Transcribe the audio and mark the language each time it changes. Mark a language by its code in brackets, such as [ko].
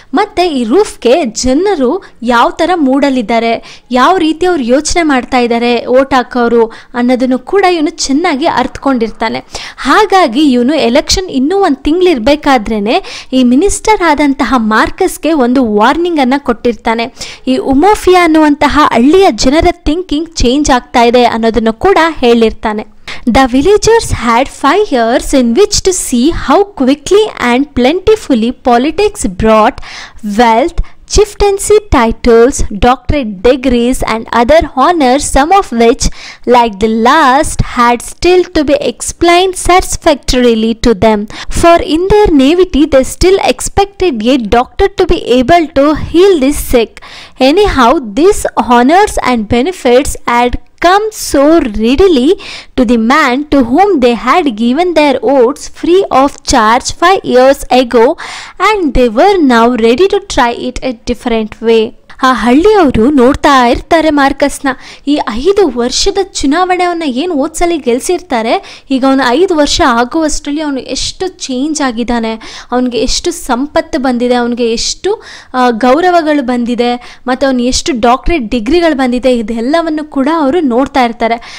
[kn] ಮತ್ತು ಈ ರೂಫ್ಗೆ ಜನರು ಯಾವ ಥರ ಮೂಡಲ್ಲಿದ್ದಾರೆ, ಯಾವ ರೀತಿ ಅವ್ರು ಯೋಚನೆ ಮಾಡ್ತಾ ಇದ್ದಾರೆ ಓಟ್ ಹಾಕೋರು ಅನ್ನೋದನ್ನು ಕೂಡ ಇವನು ಚೆನ್ನಾಗಿ ಅರ್ಥಕೊಂಡಿರ್ತಾನೆ. ಹಾಗಾಗಿ ಇವನು ಎಲೆಕ್ಷನ್ ಇನ್ನೂ ಒಂದು ತಿಂಗಳಿರಬೇಕಾದ್ರೇ ಈ ಮಿನಿಸ್ಟರ್ ಆದಂತಹ ಮಾರ್ಕಸ್ ಗೆ ಒಂದು ವಾರ್ನಿಂಗ್ ಅನ್ನ ಕೊಟ್ಟಿರ್ತಾನೆ. ಈ ಉಮೋಫಿಯಾ ಅನ್ನುವಂತಹ ಹಳ್ಳಿಯ ಜನರ ಥಿಂಕಿಂಗ್ ಚೇಂಜ್ ಆಗ್ತಾ ಇದೆ ಅನ್ನೋದನ್ನು ಕೂಡ ಹೇಳಿರ್ತಾನೆ. [en] The villagers had 5 years in which to see how quickly and plentifully politics brought wealth, chieftaincy titles, doctorate degrees and other honors, some of which, like the last, had still to be explained satisfactorily to them. For in their naivety, they still expected a doctor to be able to heal the sick. Anyhow, these honors and benefits had come so readily to the man to whom they had given their oats free of charge 5 years ago, and they were now ready to try it a different way. [kn] ಆ ಹಳ್ಳಿಯವರು ನೋಡ್ತಾ ಇರ್ತಾರೆ ಮಾರ್ಕಸ್ನ. ಈ 5 ವರ್ಷದ ಚುನಾವಣೆಯನ್ನು ಏನು ಓದ್ಸಲಿ ಗೆಲ್ಸಿರ್ತಾರೆ, ಈಗ ಅವನು 5 ವರ್ಷ ಆಗುವಷ್ಟರಲ್ಲಿ ಅವನು ಎಷ್ಟು ಚೇಂಜ್ ಆಗಿದ್ದಾನೆ, ಅವನಿಗೆ ಎಷ್ಟು ಸಂಪತ್ತು ಬಂದಿದೆ, ಅವನಿಗೆ ಎಷ್ಟು ಗೌರವಗಳು ಬಂದಿದೆ, ಮತ್ತು ಅವನು ಎಷ್ಟು ಡಾಕ್ಟ್ರೇಟ್ ಡಿಗ್ರಿಗಳು ಬಂದಿದೆ, ಇದೆಲ್ಲವನ್ನು ಕೂಡ ಅವರು ನೋಡ್ತಾ ಇರ್ತಾರೆ.